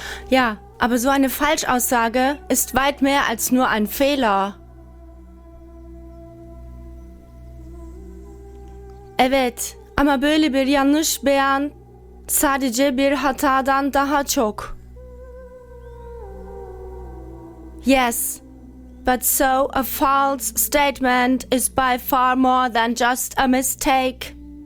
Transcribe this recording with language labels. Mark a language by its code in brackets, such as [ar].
[de] Ja, aber so eine Falschaussage ist weit mehr als nur ein Fehler. [tr] Evet, ama böyle bir yanlış beyan sadece bir hatadan daha çok. [en] Yes, but so a false statement is by far more than just a mistake.